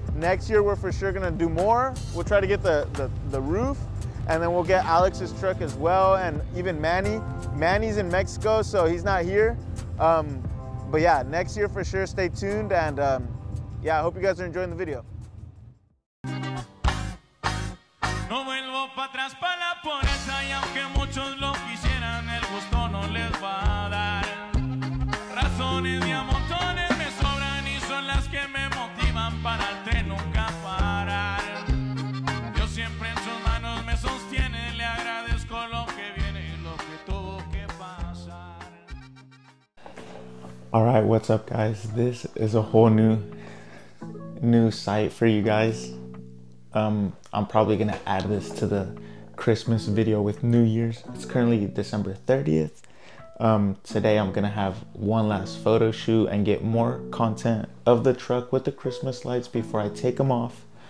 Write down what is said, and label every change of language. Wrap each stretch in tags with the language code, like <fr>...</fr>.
<en>Next year, we're for sure gonna do more. We'll try to get the roof. And then we'll get Alex's truck as well. And even Manny. Manny's in Mexico, so he's not here. But yeah, next year for sure, stay tuned. And yeah, I hope you guys are enjoying the video.</en> <es>No vuelvo pa' atrás pa' la pobreza, y aunque muchos lo quisieran, el gusto no les va a dar. Razones de a montones me sobran y son las que me motivan para el tren nunca parar. Dios siempre en sus manos me sostiene, le agradezco lo que viene y lo que tuvo que pasar.</es> <en>All right, what's up, guys? This is a whole new site for you guys. I'm probably gonna add this to the Christmas video with New Year's. It's currently December 30th. Today I'm gonna have one last photo shoot and get more content of the truck with the Christmas lights before I take them off.</en>